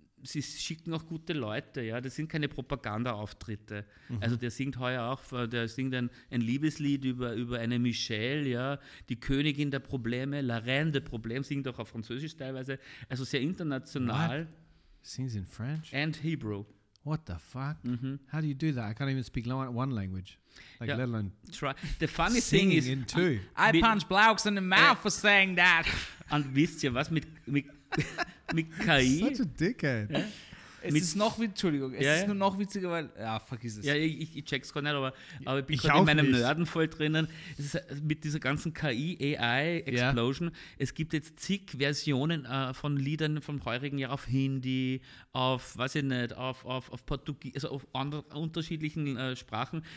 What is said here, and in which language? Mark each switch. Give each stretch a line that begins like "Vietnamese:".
German: sie schicken auch gute Leute, ja, das sind keine Propaganda-Auftritte. Mhm. Also der singt heuer auch, der singt ein Liebeslied über eine Michelle, ja, die Königin der Probleme, La Reine des Problèmes, singt auch auf Französisch teilweise, also sehr international.
English: What? Sings in French? And Hebrew. What the fuck? Mm-hmm. How do you do that? I can't even speak one language. Like, yeah, let alone try. The funny thing is, in two. I punch blokes in the mouth for saying that.
German: Und wisst ihr was mit KI?
English: Such a dickhead. Yeah.
German: Es ist nur noch witziger, weil, ja, vergiss es. Ja, ich check's gar nicht, aber ich bin gerade in meinem Nerden voll drinnen. Es ist, mit dieser ganzen KI, AI, Explosion, yeah, es gibt jetzt zig Versionen von Liedern vom heurigen Jahr auf Hindi, auf, weiß ich nicht, auf Portugies, also auf unterschiedlichen Sprachen.